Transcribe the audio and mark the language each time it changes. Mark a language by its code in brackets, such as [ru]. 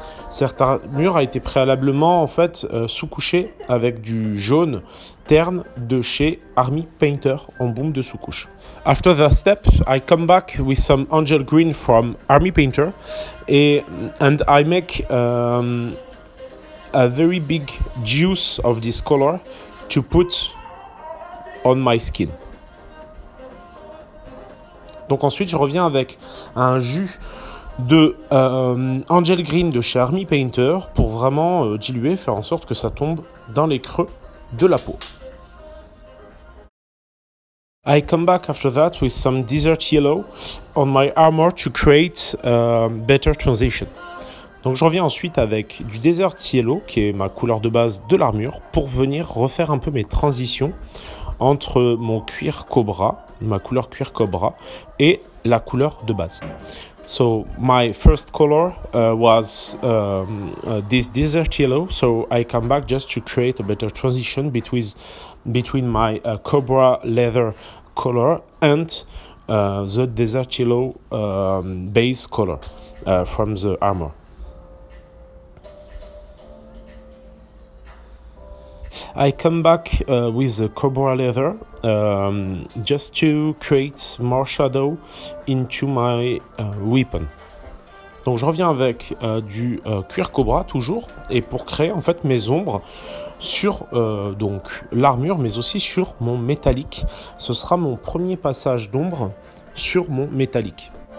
[fr] Cette armure a été préalablement en fait sous-couchée avec du jaune terne de chez Army Painter en bombe de sous-couche. [en] After that step, I come back with some angel green from Army Painter and I make a very big juice of this color to put on my skin. [fr] Donc ensuite, je reviens avec un jus de Angel Green de chez Army Painter pour vraiment diluer, faire en sorte que ça tombe dans les creux de la peau. [en] I come back after that with some Desert Yellow on my armor to create a better transition. [fr] Donc je reviens ensuite avec du Desert Yellow, qui est ma couleur de base de l'armure, pour venir refaire un peu mes transitions entre mon cuir cobra, ma couleur cuir cobra, et la couleur de base. [en] So my first color was this desert yellow. So I come back just to create a better transition between my cobra leather color and the desert yellow base color from the armor. I come back with the cobra leather just to create more shadow into my weapon. [fr] Donc je reviens avec du cuir cobra toujours et pour créer en fait mes ombres sur donc l'armure mais aussi sur mon métallique. Ce sera mon premier passage d'ombre sur mon métallique.